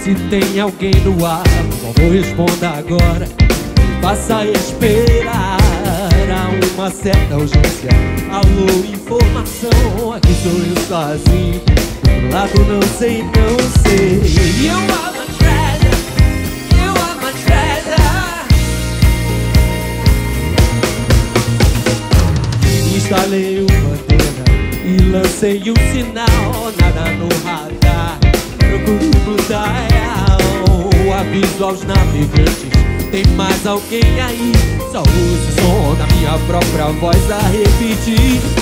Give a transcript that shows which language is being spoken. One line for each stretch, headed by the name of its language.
Portuguese: Tem alguém no ar, por favor responda agora. Passa a esperar a uma certa urgência. Alô, informação, aqui sou eu sozinho. Do outro lado não sei, não sei.
English: You are my treasure, you are my treasure.
Portuguese: Instalei uma antena e lancei sinal. Nada no radar, procuro cruzar. Aviso aos navegantes, tem mais alguém aí? Só o som da minha própria voz a repetir.